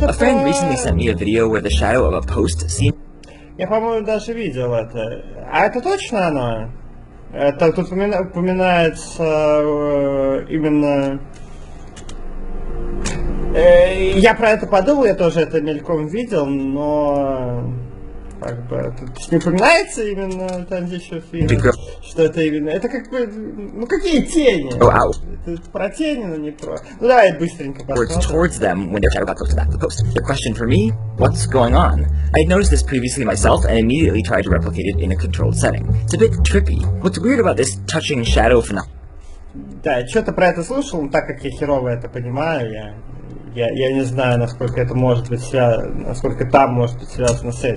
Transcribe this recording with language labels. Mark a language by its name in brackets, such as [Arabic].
[Russian] про... [English] A friend recently sent me a video where the shadow of a post seemed... [Russian] Я, по-моему, даже видел это. А это точно оно? Это тут упоминается именно... я про это подумал, я тоже это мельком видел, но... Как бы, тут не упоминается именно там еще фильм, что это именно... Это как бы... Ну какие тени? Oh, ow. Про тени, но не про... Ну давай быстренько посмотрим. [English] Words towards them when their shadow got close to that post. The question for me, what's going on? I had noticed this previously myself and immediately tried to replicate it in a controlled setting. It's a bit trippy. What's weird about this touching shadow phenomenon? [Russian] Да, что-то про это слышал, но так как я херово это понимаю, я не знаю, насколько это может быть связано, насколько там может быть связано с этим.